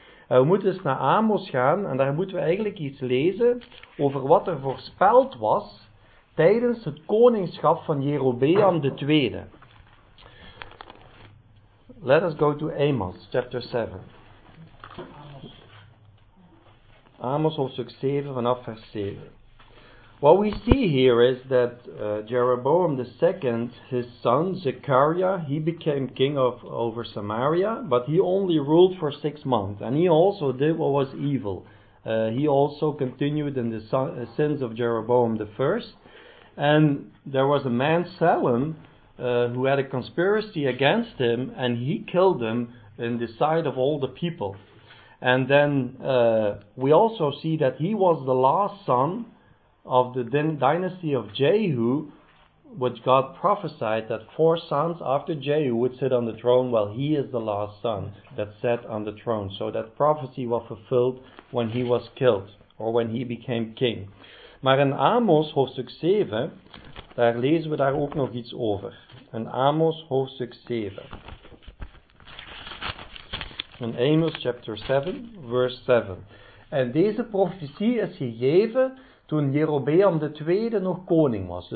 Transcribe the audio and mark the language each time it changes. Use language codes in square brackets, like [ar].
[nl] We moeten eens naar Amos gaan en daar moeten we eigenlijk iets lezen over wat er voorspeld was tijdens het koningschap van Jerobeam de tweede. [en] Let us go to Amos, chapter 7. [nl] Amos hoofdstuk 7 vanaf vers 7. [en] What we see here is that Jeroboam the second, his son Zechariah, he became king over Samaria, but he only ruled for 6 months, and he also did what was evil. He also continued in the sins of Jeroboam the first, and there was a man Salem who had a conspiracy against him, and he killed him in the sight of all the people. And then we also see that he was the last son of the dynasty of Jehu, which God prophesied that 4 sons after Jehu would sit on the throne. Well, he is the last son that sat on the throne. So that prophecy was fulfilled when he was killed or when he became king. [nl] Maar in Amos hoofdstuk 7, daar lezen we daar ook nog iets over. In Amos hoofdstuk 7. [en] In Amos chapter 7, verse 7. [nl] En deze profetie is gegeven toen Jerobeam de tweede nog koning was.